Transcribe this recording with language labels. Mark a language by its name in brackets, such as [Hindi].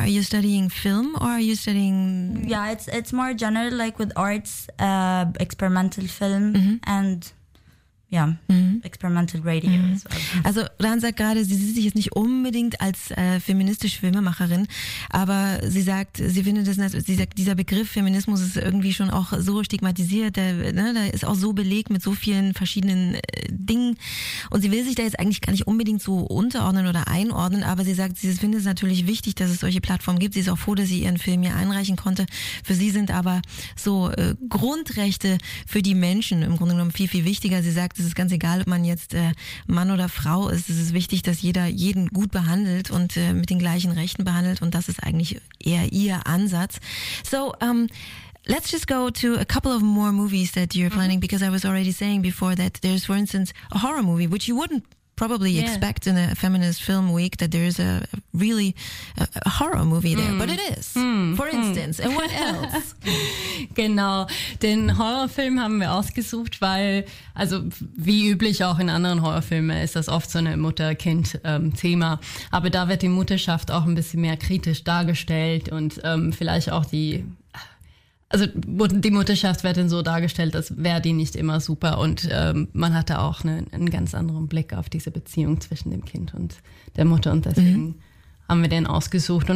[English] Are you studying film or are you studying... Yeah, it's more general, like with arts, experimental film and ja, mhm. Experimental Radio. Mhm. [German] Also. Also Ran sagt gerade, sie sieht sich jetzt nicht unbedingt als feministische Filmemacherin, aber sie sagt, sie findet das, sie sagt, dieser Begriff Feminismus ist irgendwie schon auch so stigmatisiert, da ist auch so belegt mit so vielen verschiedenen Dingen und sie will sich da jetzt eigentlich gar nicht unbedingt so unterordnen oder einordnen, aber sie sagt, sie findet es natürlich wichtig, dass es solche Plattformen gibt, sie ist auch froh, dass sie ihren Film hier einreichen konnte. Für sie sind aber so Grundrechte für die Menschen im Grunde genommen viel, viel wichtiger. Sie sagt, es ist ganz egal, ob man jetzt Mann oder Frau ist. Es ist wichtig, dass jeder jeden gut behandelt und mit den gleichen Rechten behandelt. Und das ist eigentlich eher ihr Ansatz. [English] So, let's just go to a couple of more movies that you're planning, because I was already saying before that there's, for instance, a horror movie, which you wouldn't probably expect in a feminist film week, that there is a really a horror movie there, but it is. For instance, and what else? [German] Genau, den Horrorfilm haben wir ausgesucht, weil, also wie üblich auch in anderen Horrorfilmen, ist das oft so eine Mutter-Kind-Thema. Aber da wird die Mutterschaft auch ein bisschen mehr kritisch dargestellt und vielleicht auch die, also die Mutterschaft wird dann so dargestellt, als wäre die nicht immer super und man hat da auch einen ganz anderen Blick auf diese Beziehung zwischen dem Kind und der Mutter und deswegen haben wir den ausgesucht.